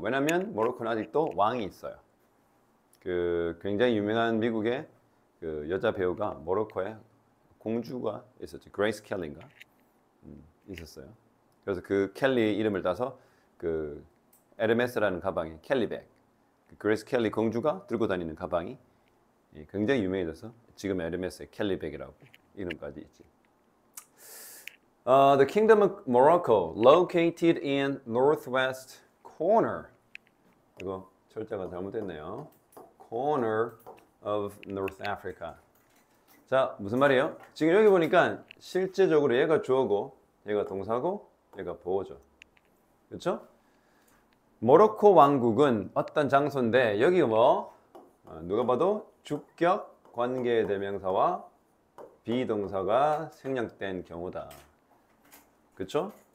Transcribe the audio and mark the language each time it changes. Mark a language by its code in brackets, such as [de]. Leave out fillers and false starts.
[ko] 왜냐하면 모로코는 아직도 왕이 있어요. 그 굉장히 유명한 미국의 그 여자 배우가 모로코의 공주가 있었지, 그레이스 켈리인가? 있었어요. 그래서 그 켈리 이름을 따서 그 에르메스라는 가방이 켈리백. 그레이스 켈리 공주가 들고 다니는 가방이 굉장히 유명해져서 지금 에르메스의 켈리백이라고 이름까지 있지. [en] The Kingdom of Morocco, located in northwest corner. [ko] 이거 철자가 잘못됐네요. [en] Corner of North Africa. [ko] 자, 무슨 말이에요? 지금 여기 보니까 실제적으로 얘가 주어고, 얘가 동사고, 얘가 보어죠. 그렇죠? 모로코 왕국은 어떤 장소인데 여기가 뭐 누가 봐도 주격 관계 대명사와 비동사가 생략된 경우다. 그쵸?